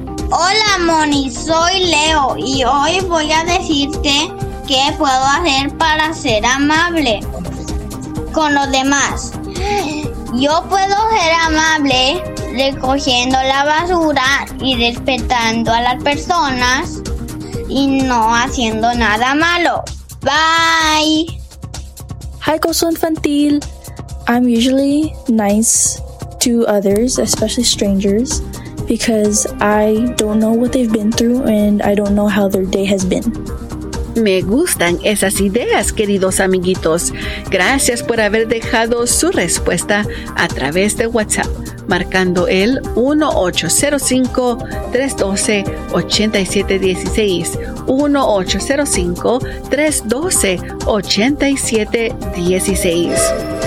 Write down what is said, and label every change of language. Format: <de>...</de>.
<es>Hola, Moni, soy Leo y hoy voy a decirte qué puedo hacer para ser amable con los demás. Yo puedo ser amable recogiendo la basura y respetando a las personas y no haciendo nada malo.</es> <en>Bye. Hi, Coso Infantil. I'm usually nice to others, especially strangers, because I don't know what they've been through and I don't know how their day has been.</en> <es>Me gustan esas ideas, queridos amiguitos. Gracias por haber dejado su respuesta a través de WhatsApp, marcando el 1-805-312-8716. 1-805-312-8716.</es>